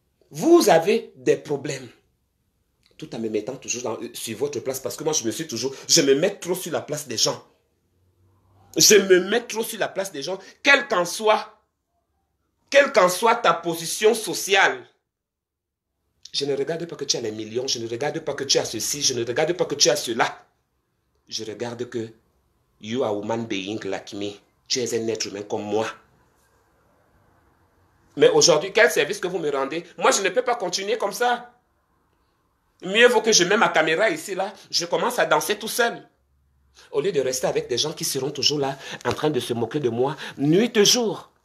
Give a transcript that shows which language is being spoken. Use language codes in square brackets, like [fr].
[fr] Vous avez des problèmes. Tout en me mettant toujours sur votre place, parce que moi je me suis toujours, je me mets trop sur la place des gens. Je me mets trop sur la place des gens, quelle qu'en soit ta position sociale. Je ne regarde pas que tu as les millions, je ne regarde pas que tu as ceci, je ne regarde pas que tu as cela. Je regarde que [en] you are a human being like me. [fr] Tu es un être humain comme moi. Mais aujourd'hui, quel service que vous me rendez? Moi, je ne peux pas continuer comme ça. Mieux vaut que je mette ma caméra ici, là. Je commence à danser tout seul. Au lieu de rester avec des gens qui seront toujours là, en train de se moquer de moi, nuit et jour.